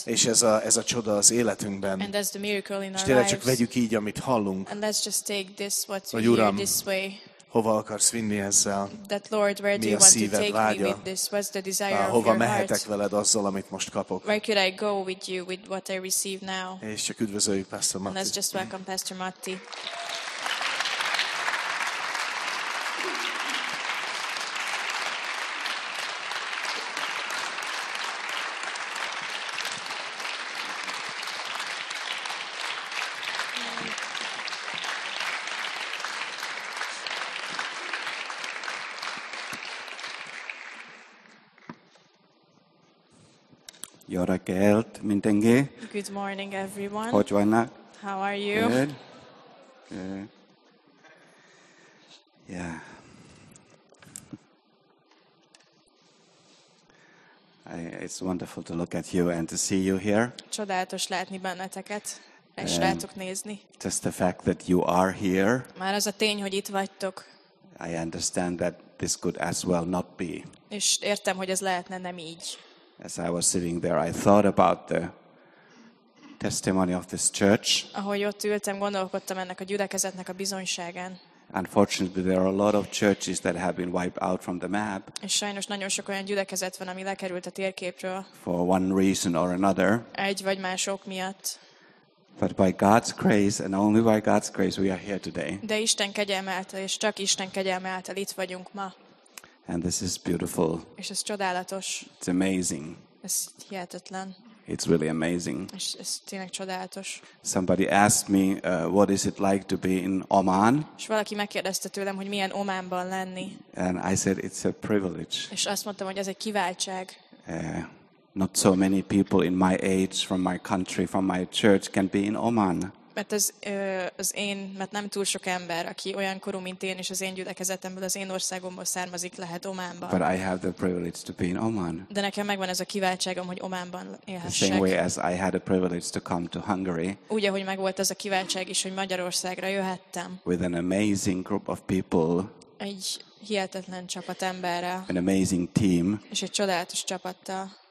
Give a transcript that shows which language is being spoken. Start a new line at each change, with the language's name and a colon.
Hungarian: És ez a csoda az életünkben.
English: And that's the miracle in our lives.
Hungarian: Csak vegyük így, amit hallunk.
English: And let's just take this what we hear this way.
Hungarian: Hova akarsz vinni ezzel?
English: That Lord, where do you want to take
Hungarian: vágya?
English: Me with this? What's the desire of
Hungarian: hova
English: your
Hungarian: mehetek
English: heart?
Hungarian: Veled azzal, amit most kapok?
English: Where could I go with you with what I receive now?
Hungarian: És csak üdvözöljük Pastor Matti.
English: And let's just welcome Pastor Matti.
Hungarian: Jó reggelt, mindenki.
English: Good morning, everyone.
Hungarian: Hogy vannak?
English: How are you? Good. Good. Yeah. It's wonderful to look at you and to see you here.
Hungarian: Csodálatos látni benneteket, és rátok nézni.
English: Just the fact that you are here.
Hungarian: Már az a tény, hogy itt vagytok.
English: I understand that this could as well not be.
Hungarian: És értem, hogy ez lehetne nem így.
English: As I was sitting there, I thought about the testimony of this church.
Hungarian: Ahogy ott ültem, gondolkodtam ennek a gyülekezetnek a bizonyságán.
English: Unfortunately, there are a lot of churches that have been wiped out from the map.
Hungarian: És sajnos nagyon sok olyan gyülekezet van, ami lekerült a térképről.
English: For one reason or another.
Hungarian: Egy vagy más ok miatt.
English: But by God's grace and only by God's grace, we are here today.
Hungarian: De Isten kegyelme által, és csak Isten kegyelme által itt vagyunk ma.
English: And this is beautiful.
Hungarian: És ez csodálatos.
English: It's amazing.
Hungarian: Ez hihetetlen.
English: It's really amazing.
Hungarian: És ez tényleg csodálatos.
English: Somebody asked me, what is it like to be in Oman?
Hungarian: És valaki megkérdezte tőlem, hogy milyen Ománban lenni.
English: And I said, it's a privilege.
Hungarian: És azt mondtam, hogy ez egy kiváltság.
English: Not so many people in my age, from my country, from my church can be in Oman.
Hungarian: Mert mert nem túl sok ember, aki olyan korú, mint én, és az én gyülekezetemből, az én országomból származik, lehet Ománban.
English: But I have the privilege to be in Oman.
Hungarian: De nekem megvan ez a kiváltságom, hogy Ománban élhessek.
English: The same way as I had a privilege to come to Hungary.
Hungarian: Úgy, ahogy megvolt ez a kiváltság is, hogy Magyarországra jöhettem.
English: With an amazing group of people.
Hungarian: Egy hihetetlen csapat emberrel.
English: An amazing team.
Hungarian: És egy csodálatos csapattal.